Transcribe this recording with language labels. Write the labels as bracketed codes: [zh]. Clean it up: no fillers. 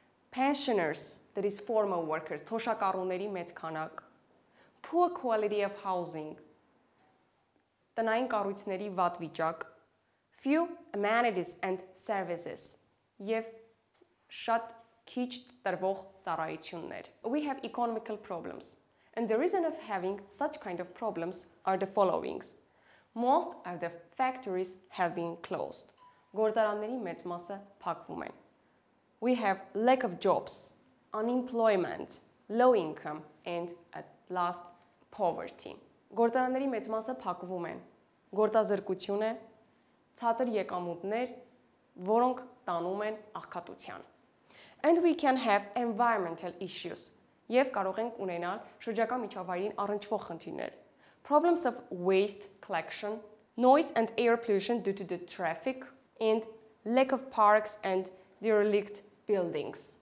[en] Pensioners, that is former workers, [hy] թոշակառուների մեծ քանակ. [en] Poor quality of housing, [hy] տնային կառույցների վատ վիճակ. [en] Few amenities and services, [hy] եւ շատ քիչ տրվող ծառայություններ. [en] We have economical problems. And the reason of having such kind of problems are the followings. Most of the factories have been closed. [hy] Գործարանների մեծ մասը փակվում են. [en] We have lack of jobs, unemployment, low income, and at last, poverty. [hy] Գործարանների մեծ մասը փակվում են. Գործազրկություն է, ցածր եկամուտներ, որոնք տանում են աղքատության. [en] And we can have environmental issues. [hy] Եվ կարող ենք ունենալ շրջակա միջավայրին առնչվող խնդիրներ. [en] Problems of waste collection, noise and air pollution due to the traffic, and lack of parks and derelict buildings.